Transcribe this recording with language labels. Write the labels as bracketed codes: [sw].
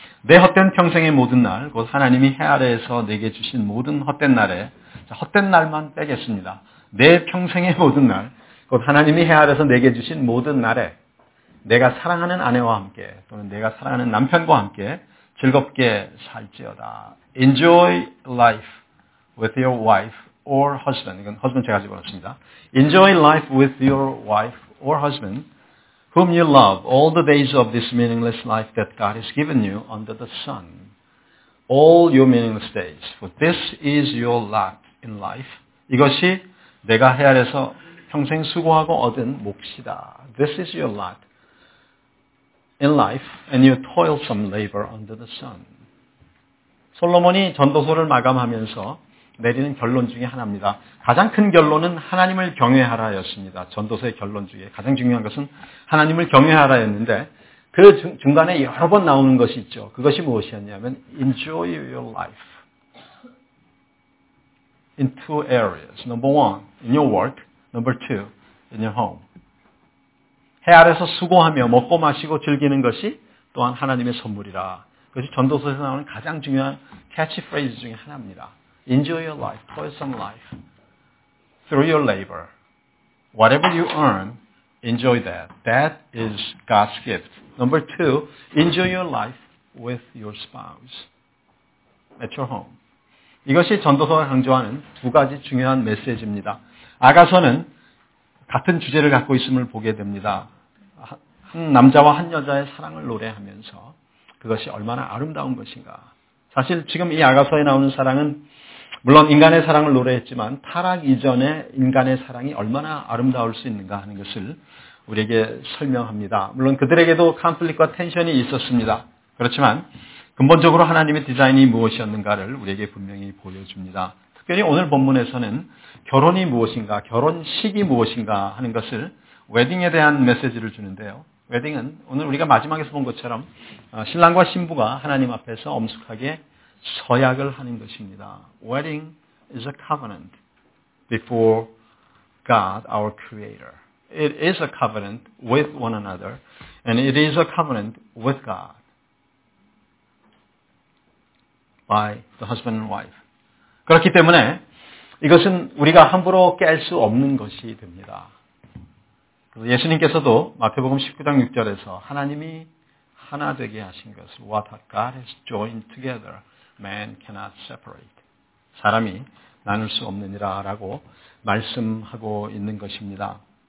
[ko] 내 헛된 평생의 모든 날, 곧 하나님이 해 아래에서 내게 주신 모든 헛된 날에, 자, 헛된 날만 빼겠습니다. 내 평생의 모든 날, 곧 하나님이 해 아래에서 내게 주신 모든 날에 내가 사랑하는 아내와 함께 또는 내가 사랑하는 남편과 함께 즐겁게 살지어다. [en] Enjoy life with your wife or husband. [ko] 이건 husband 제가 집어넣습니다. [en] Enjoy life with your wife or husband whom you love all the days of this meaningless life that God has given you under the sun. All your meaningless days. For this is your lot in life. [ko] 이것이 내가 해 아래서 평생 수고하고 얻은 몫이다. [en] This is your lot in life, and your toilsome labor under the sun. [ko] 솔로몬이 전도서를 마감하면서 내리는 결론 중에 하나입니다. 가장 큰 결론은 하나님을 경외하라였습니다. 전도서의 결론 중에 가장 중요한 것은 하나님을 경외하라였는데 그 중간에 여러 번 나오는 것이 있죠. 그것이 무엇이었냐면 [en] enjoy your life in two areas. Number one, in your work. Number two, in your home. [ko] 해 아래서 수고하며 먹고 마시고 즐기는 것이 또한 하나님의 선물이라. 그것이 전도서에서 나오는 가장 중요한 catchphrase 중에 하나입니다. [en] Enjoy your life, toilsome life, through your labor. Whatever you earn, enjoy that. That is God's gift. Number two, enjoy your life with your spouse at your home. [ko] 이것이 전도서가 강조하는 두 가지 중요한 메시지입니다. 아가서는 같은 주제를 갖고 있음을 보게 됩니다. 한 남자와 한 여자의 사랑을 노래하면서 그것이 얼마나 아름다운 것인가. 사실 지금 이 아가서에 나오는 사랑은 물론 인간의 사랑을 노래했지만 타락 이전에 인간의 사랑이 얼마나 아름다울 수 있는가 하는 것을 우리에게 설명합니다. 물론 그들에게도 컨플릭과 텐션이 있었습니다. 그렇지만 근본적으로 하나님의 디자인이 무엇이었는가를 우리에게 분명히 보여줍니다. 특별히 오늘 본문에서는 결혼이 무엇인가, 결혼식이 무엇인가 하는 것을 웨딩에 대한 메시지를 주는데요. 웨딩은 오늘 우리가 마지막에서 본 것처럼 신랑과 신부가 하나님 앞에서 엄숙하게 서약을 하는 것입니다. [en] Wedding is a covenant before God, our Creator. It is a covenant with one another, and it is a covenant with God by the husband and wife. [ko] 그렇기 때문에 이것은 우리가 함부로 깰 수 없는 것이 됩니다. 그래서 예수님께서도 마태복음 19장 6절에서 하나님이 하나 되게 하신 것을 [en] What God has joined together, man cannot separate. [ko] 사람이 나눌 수 없느니라 라고 말씀하고 있는 것입니다.